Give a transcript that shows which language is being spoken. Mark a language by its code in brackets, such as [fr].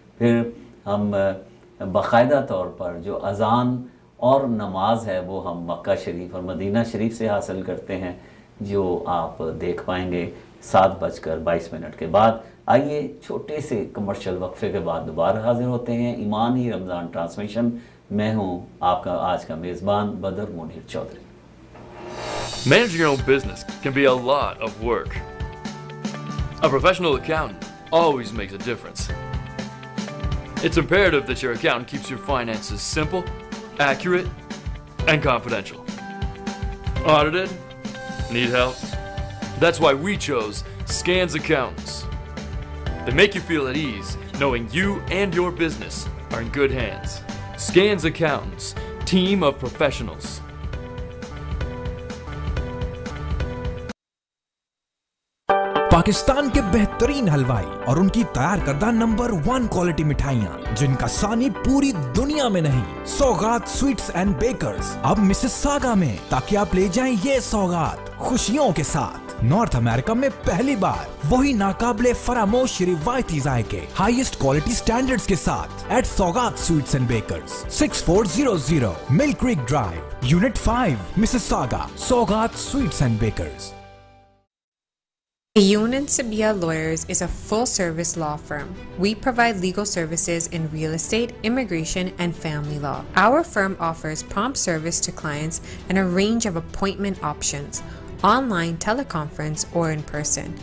[hi] फिर हम बाकायदा तौर पर जो अज़ान और नमाज है वो हम मक्का शरीफ और मदीना शरीफ से हासिल करते हैं, जो आप देख पाएंगे 7:22 के बाद. आइए छोटे से कमर्शियल वक्फे के बाद दोबारा हाजिर होते हैं. ईमान ही रमज़ान ट्रांसमिशन, मैं हूँ आपका आज का मेज़बान बदर Munir Chaudhary. [en] Managing your own business can be a lot of work. A professional accountant always makes a difference. It's imperative that your accountant keeps your finances simple, accurate, and confidential. Audited? Need help? That's why we chose Scans Accountants. They make you feel at ease knowing you and your business are in good hands. Scans Accountants, team of professionals. [hi] Pakistan के बेहतरीन हलवाई और उनकी तैयार करदा number one quality मिठाइयाँ, जिनका सानी पूरी दुनिया में नहीं. सौगात स्वीट्स एंड बेकर्स, अब मिसेस सागा में, ताकि आप ले जाएं ये सौगात खुशियों के साथ. नॉर्थ अमेरिका में पहली बार वही नाकाबले फरामोश रिवायती जायके हाईएस्ट क्वालिटी स्टैंडर्ड्स के साथ एट सौगात sweets and bakers, 6400 mill creek drive, unit 5, Mrs saga, सौगात sweets and bakers. [en] Ayoun & Sabia Lawyers is a full-service law firm. We provide legal services in real estate, immigration, and family law. Our firm offers prompt service to clients and a range of appointment options, online, teleconference, or in person.